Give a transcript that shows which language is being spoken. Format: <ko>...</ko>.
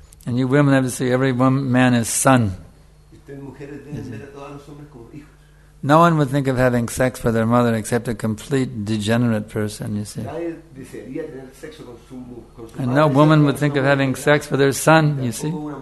<en>And you women have to see every man as son.</en> <es>Usted, mujeres, deben ver a todos los hombres como hijos.</es> <en>No one would think of having sex with their mother except a complete degenerate person, you see. And no woman would think of having sex with her son, you see.</en>